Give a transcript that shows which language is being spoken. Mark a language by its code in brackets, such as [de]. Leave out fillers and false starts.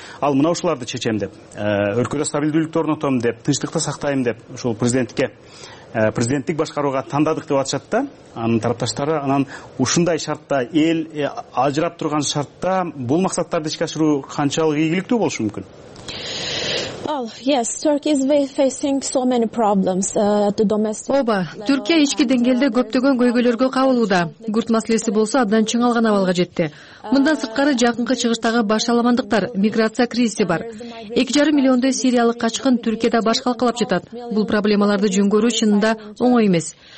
[ky] Ал мына ушуларды чечем деп, өлкөдө стабилдүүлүктү орнотом деп, тынчтыкты сактайм деп ушул президенттикке, президенттик башкарууга тандадык деп атышат да. Анын тарапташтары анан ушундай шартта, эл ажырап турган шартта бул максаттарды ишке ашыруу канчалык ийгиликтүү болушу мүмкүн? [en] Yes, Turkey is facing so many problems at the domestic. [ky] Оба, Түркия ички деңгээлде көптөгөн көйгөйлөргө кабылууда. Күрд маселеси болсо абдан чыңалган абалга жетти. Мындан сырткары жакынкы чыгыштагы баш аламандыктар, миграция кризиси бар. 2,5 миллиондой сириялык качкын Түркияда баш калкалап жатат. Бул проблемаларды жөнгөрүү чынында оңой эмес.